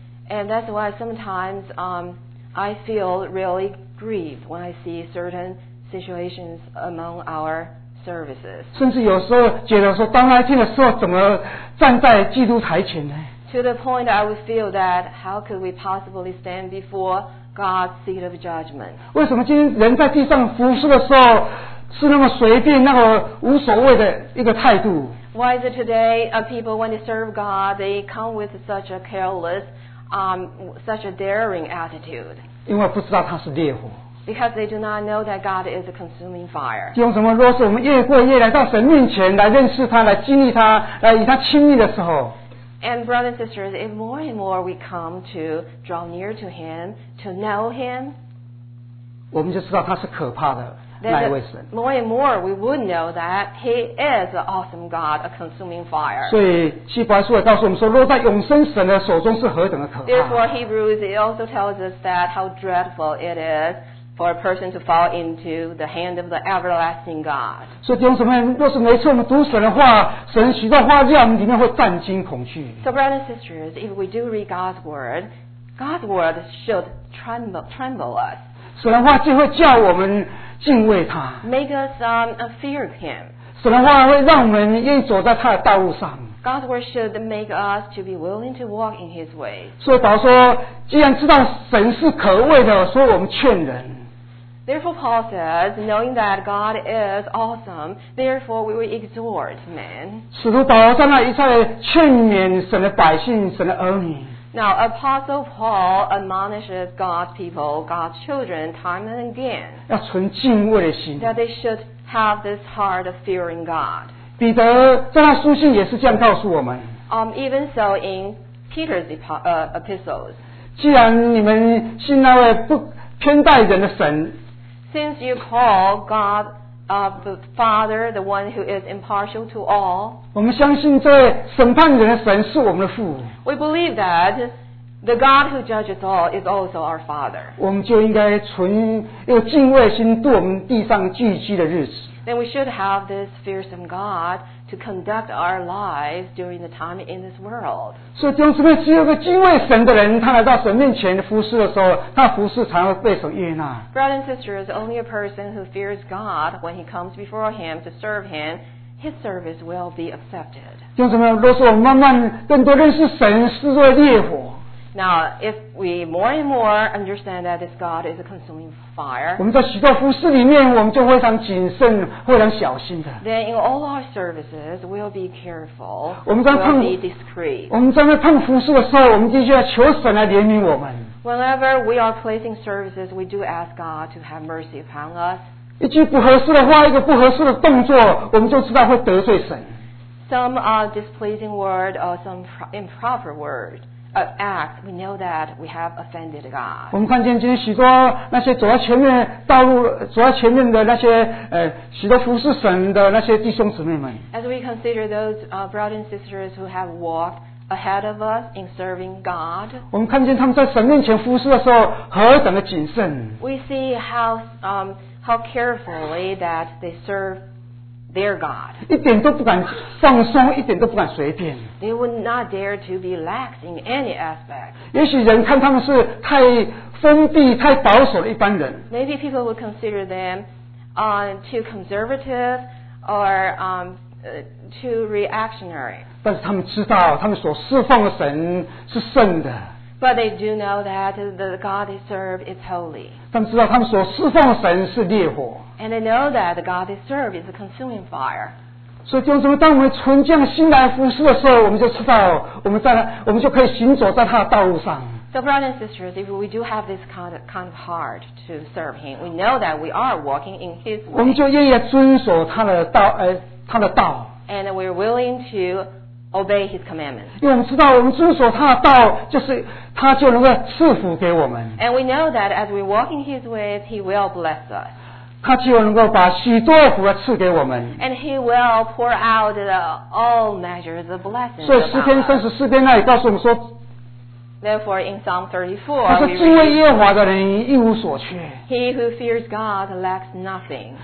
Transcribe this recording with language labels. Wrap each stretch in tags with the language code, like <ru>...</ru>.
<en>And that's why sometimes I feel really grieved when I see certain situations among our services.</en> <zh>甚至有时候觉得说，当那一天的时候，怎么站在基督台前呢？</zh> <en>To the point I would feel that how could we possibly stand before God's seat of judgment?</en> <zh>为什么今天人在地上服事的时候是那么随便那个无所谓的一个态度？</zh> <en>Why is it today people when they serve God they come with such a careless, such a daring attitude?</en> <zh>因为不知道他是烈火。</zh> <en>Because they do not know that God is a consuming fire.</en> <zh>用什么？若是我们越过越来到神面前来认识他，来经历他，来与他亲密的时候。</zh> <en>And brothers and sisters, if more and more we come to draw near to Him, to know Him,</en> <zh>我们就知道他是可怕的，</zh> <en>More and more we would know that he is an awesome God, a consuming fire.</en> <zh>所以希伯来书也告诉我们说，落在永生神的手中是何等的可怕。</zh> <en>Therefore, Hebrews it also tells us that how dreadful it is for a person to fall into the hand of the everlasting God.</en> <zh>所以弟兄姊妹，若是每次我们读神的话，神许多话在我们里面会战惊恐惧。</zh> <en>So brothers and sisters, if we do read God's word, God's word should tremble us.</en> <zh>神的话就会叫我们敬畏他。</zh> <en>Make us fear him.</en> <zh>神的话会让我们愿意走在他的道路上。</zh> <en>God's word should make us to be willing to walk in his way.</en> <zh>所以保罗说，既然知道神是可畏的，所以我们劝人。</zh> <en>Therefore Paul says, knowing that God is awesome, therefore we will exhort men.</en> <zh>使徒保罗在那一再劝勉神的百姓，神的儿女。</zh> <en>Now, Apostle Paul admonishes God's people, God's children, time and again.</en> <zh>要存敬畏的心。</zh> <en>That they should have this heart of fearing God.</en> <zh>彼得在他书信也是这样告诉我们。</zh> <en>Even so in Peter's epistles.</en> <zh>既然你们信那位不偏待人的神。</zh> <en>Since you call God the Father, the one who is impartial to all.</en> <zh>我们相信这审判人的神是我们的父。</zh> <en>We believe that the God who judges all is also our Father.</en> <zh>我们就应该存有敬畏心度我们地上寄居的日子。</zh> <en>Then we should have this fearsome God to conduct our lives during the time in this world.</en> <zh>所以弟兄姊妹，只有个敬畏神的人，他来到神面前服事的时候，他服事才会备受悦纳。</zh> <en>Brothers and sisters, only a person who fears God when he comes before him to serve him, his service will be accepted.</en> <zh>弟兄姊妹，若是我们慢慢更多认识神，视作烈火。</zh> <en>Now, if we more and more understand that this God is a consuming fire,</en> <zh>我们在许多服事里面，我们就非常谨慎，非常小心的。</zh> <en>Then in all our services, we'll be careful.</en> <zh>我们在碰</zh> <en>be discreet.</en> <zh>我们在碰服事的时候，我们必须要求神来怜悯我们。</zh> <en>Whenever we are placing services, we do ask God to have mercy upon us.</en> <zh>一句不合适的话，一个不合适的动作，我们就知道会得罪神。</zh> <en>Some displeasing word or some improper word. Act, we know that we have offended God.</en> <zh>我们看见今天许多那些走在前面道路走在前面的那些许多服侍神的那些弟兄姊妹们。</zh> <en>As we consider those brothers and sisters who have walked ahead of us in serving God,</en> <zh>我们看见他们在神面前服侍的时候何等的谨慎。</zh> <en>We see how carefully that they serve. Their God.</en> <zh>一点都不敢放松，一点都不敢随便。</zh> <en>They would not dare to be lax in any aspect.</en> <zh>也许人看他们是太封闭、太保守的一般人。</zh> <en>Maybe people would consider them, too conservative or too reactionary.</en> <zh>但是他们知道，他们所侍奉的神是圣的。</zh> <en>But they do know that the God they serve is holy.</en> <zh>他们知道他们所侍奉的神是烈火。</zh> <en>And they know that the God they serve is a consuming fire.</en> <zh>所以弟兄姊妹，当我们纯净心来服事的时候，我们就知道我们就可以行走在他的道路上。</zh> <en>So brothers and sisters, if we do have this kind of heart to serve Him, we know that we are walking in His way.</en> <zh>我们就愿意遵守他的道。</zh> <en>And we're willing to. Obey his commandments.</en> <zh>因为我们知道，我们遵守他的道，就是他就能够赐福给我们。</zh> <en>And we know that as we walk in his ways, he will bless us.</en> <zh>他就能够把许多福赐给我们。</zh> <en>And he will pour out all measures of blessings.</en> <zh>所以诗篇三十四篇那里告诉我们说</zh> <en>，Therefore in Psalm 34,</en> <zh>他说敬畏耶和华的人一无所缺。</zh> <en>He who fears God lacks nothing.</en>